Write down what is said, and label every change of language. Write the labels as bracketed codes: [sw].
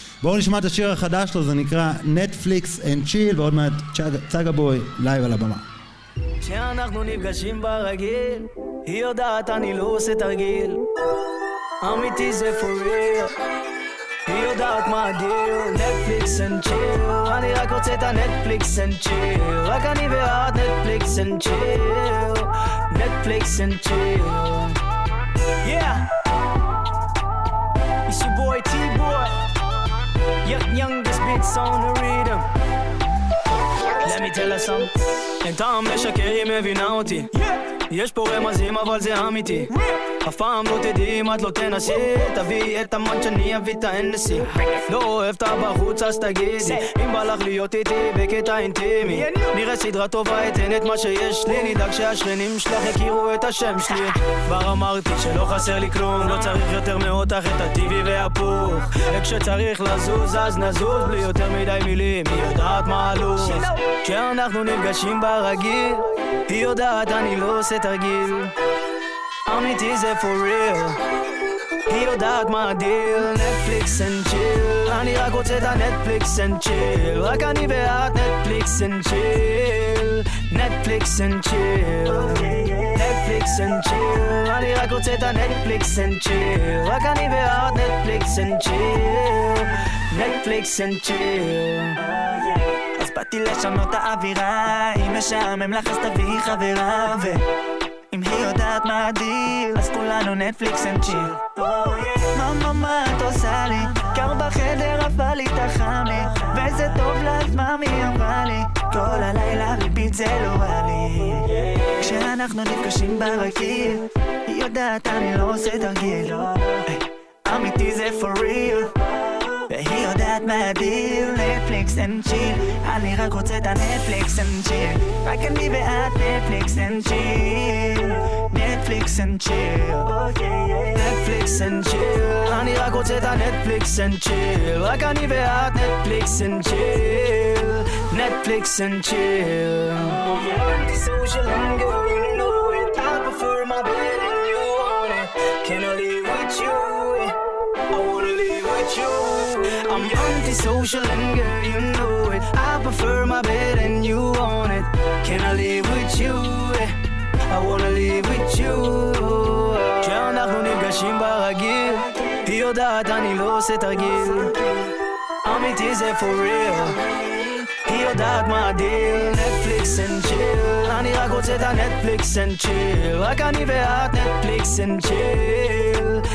[he] בואו נשמע את השיר החדש לו, זה נקרא Netflix and Chill, ועוד מעט צגה בוי, לייב על הבמה. כשאנחנו נפגשים ברגיל, היא יודעת אני לא עושה תרגיל, אמיתי זה [en] for real, [he] היא יודעת מה הדיר. Netflix and Chill, אני רק רוצה את ה-Netflix and Chill, רק אני ואת Netflix and Chill, Netflix and Chill. Yeah! [en] It's your boy T-Boy. Youngest beats on the rhythm. Let me tell her something. [he] אין טעם לשקר, היא מבינה אותי. יש פה רמזים אבל זה אמיתי. אף פעם לא תדעי אם את לא תנסי. תביאי את המנצ' אני אביא את האנסי. לא אוהב את הבחוץ אז תגידי. אם בא לך להיות איתי בקטע אינטימי, נראה סדרה טובה אתן את מה שיש לי. נדאג שהשכנים שלך יכירו את השם שלי. כבר אמרתי שלא חסר לי כלום. לא צריך יותר מאותך את הטיבי והפוך. וכשצריך לזוז אז נזוז. בלי יותר מדי מילים היא יודעת מה הלוז. כשאנחנו נפגשים ברגיל, היא יודעת אני לא עושה תרגיל. אמיתי זה [en] for real, [he] היא יודעת מה הדיר. Netflix and chill, אני רק רוצה את ה-Netflix and chill, רק אני ואת Netflix and chill. Netflix and chill, Netflix and chill, אני רק רוצה את ה-Netflix and chill, רק אני ואת Netflix and chill. [en] Netflix and chill. [he] אז באתי לשנות האווירה, אם משעמם לך אז תביא חברה. ו אם היא יודעת מה הדיל, אז כולנו Netflix and chill. מה מה את עושה לי? קר בחדר עפה לי את החמי, וזה טוב לעצמם היא אמרה לי, כל הלילה ריבית זה לא רע לי. כשאנחנו נפגשים ברגיל, היא יודעת אני לא עושה תרגיל. אמיתי זה [en] for real, [he] והיא יודעת מה הדיל. Netflix and chill, אני רק רוצה את ה-Netflix and chill, רק אני ואת Netflix and chill. Netflix and chill, Netflix and chill, אני רק רוצה את ה-Netflix and chill, רק אני ואת Netflix and chill. [en] Netflix and chill. Empty social anger, you know it, I prefer my bed and you on it. Can I live with you? I'm antisocial and girl, you know it, I prefer my bed and you want it. Can I live with you? I wanna live with you. [he] כשאנחנו נפגשים ברגיל, היא יודעת אני לא עושה תרגיל. אמיתי זה [en] for real, [he] היא יודעת מה הדיל. Netflix and chill, אני רק רוצה את ה-Netflix and chill, רק אני ואת Netflix and chill.